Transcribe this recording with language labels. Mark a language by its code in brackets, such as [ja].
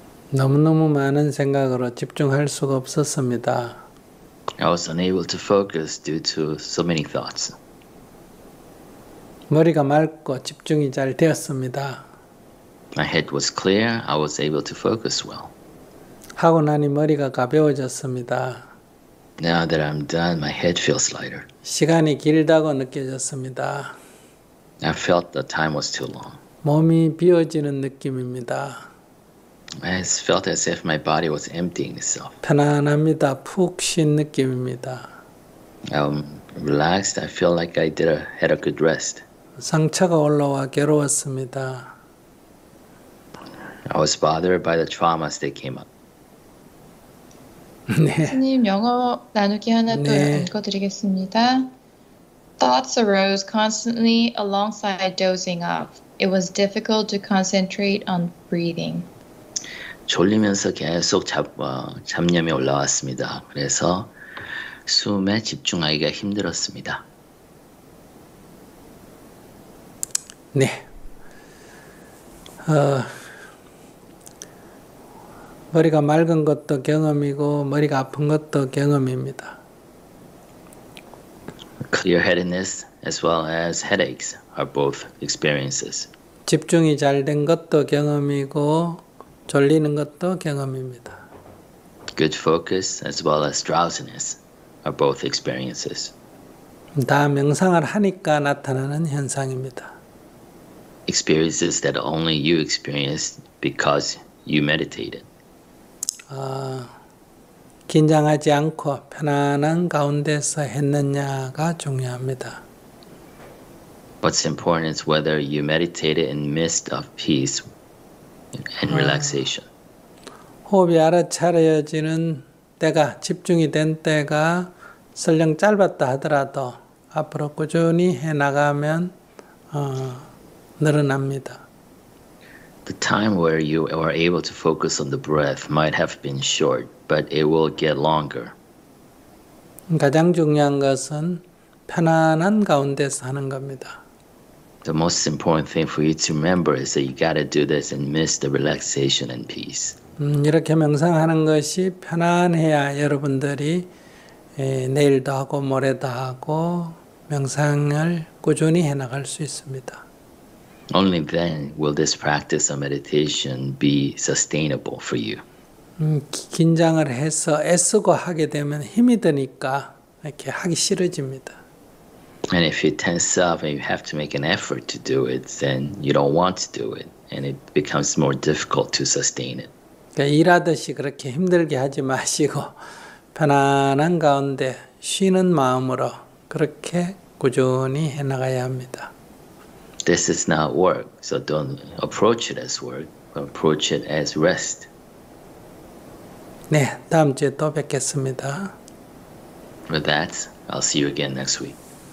[ko] 너무너무 많은 생각으로 집중할 수가 없었습니다. [en] I was unable to focus due to so many thoughts. [ko] 머리가 맑고 집중이 잘 되었습니다. [en] My head was clear. I was able to focus well. [ko] 하고 나니 머리가 가벼워졌습니다. [en] Now that I'm done, my head feels lighter. [ko] 시간이 길다고 느껴졌습니다. [en] I felt the time was too long. [ko] 몸이 비어지는 느낌입니다. [en] I felt as if my body was emptying itself. [ko] 편안합니다. 푹 쉰 느낌입니다. [en] I'm relaxed. I feel like I did had a good rest. [ko] 상처가 올라와 괴로웠습니다. [en] I was bothered by the traumas that came up. [ko] 네. 스님 영어 나누기 하나 또 읽어드리겠습니다. [en] 네. Thoughts arose constantly alongside dozing off. It was difficult to concentrate on breathing. [ko] 졸리면서 계속 잡념이 올라왔습니다. 그래서 숨에 집중하기가 힘들었습니다. 네. 머리가 맑은 것도 경험이고 머리가 아픈 것도 경험입니다. [en] Clear-headedness as well as headaches are both experiences. [ko] 집중이 잘 된 것도 경험이고 졸리는 것도 경험입니다. [en] Good focus as well as drowsiness are both experiences. [ko] 다 명상을 하니까 나타나는 현상입니다. [en] Experiences that only you experienced because you meditated. [ko] 긴장하지 않고 편안한 가운데서 했느냐가 중요합니다. [en] What's important is whether you meditated in midst of peace and relaxation. [ko] 호흡이 알아차려지는 때가 집중이 된 때가 설령 짧았다 하더라도 앞으로 꾸준히 해 나가면 늘어납니다. [en] The time where you were able to focus on the breath might have been short, but it will get longer. [ko] 가장 중요한 것은 편안한 가운데서 하는 겁니다. [en] The most important thing for you to remember is that you got to do this and miss the relaxation and peace. [ko] 이렇게 명상하는 것이 편안해야 여러분들이 내일도 하고 모레도 하고 명상을 꾸준히 해나갈 수 있습니다. [en] Only then will this practice of meditation be sustainable for you. [ko] 긴장을 해서 애쓰고 하게 되면 힘이 드니까 이렇게 하기 싫어집니다. [en] And if you tense up and you have to make an effort to do it, then you don't want to do it, and it becomes more difficult to sustain it. [ko] 일하듯이 그렇게 힘들게 하지 마시고 편안한 가운데 쉬는 마음으로 그렇게 꾸준히 해나가야 합니다. [en] This is not work, so don't approach it as work. Approach it as rest. [ko] 네, 다음 주에 또 뵙겠습니다. [en] With that, I'll see you again next week.